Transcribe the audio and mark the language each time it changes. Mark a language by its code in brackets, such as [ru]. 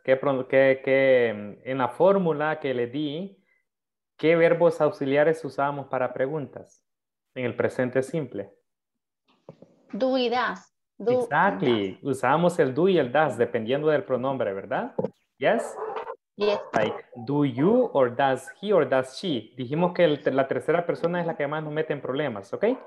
[es] ¿Qué en la fórmula que le di, qué verbos auxiliares usábamos para preguntas en el presente simple? [en] do y das. Exactly. [es] Usamos el do y el das dependiendo del pronombre, ¿verdad? [en] Yes? Yes. Like, do you or does he or does she? [es] Dijimos que la tercera persona es la que más nos mete en problemas, ¿ok?